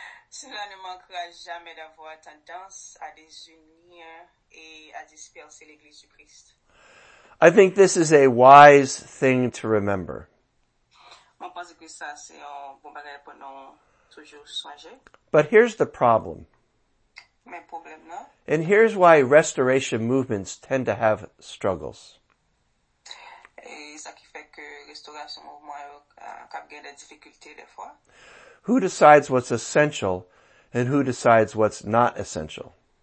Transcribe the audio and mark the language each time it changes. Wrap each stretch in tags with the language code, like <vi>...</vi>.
<fr>Cela ne manquera jamais d'avoir tendance à désunir et à disperser l'Église du Christ.</fr> <en>I think this is a wise thing to remember.</en> <fr>Moi, je pense que ça, c'est un bon bagage pour nous toujours songer.</fr> <en>But here's the problem.</en> <fr>Mais problème là.</fr> <en>And here's why restoration movements tend to have struggles.</en> <fr>Et ça qui fait que restauration mouvement a eu des difficultés des fois.</fr> <en>Who decides what's essential and who decides what's not essential?</en>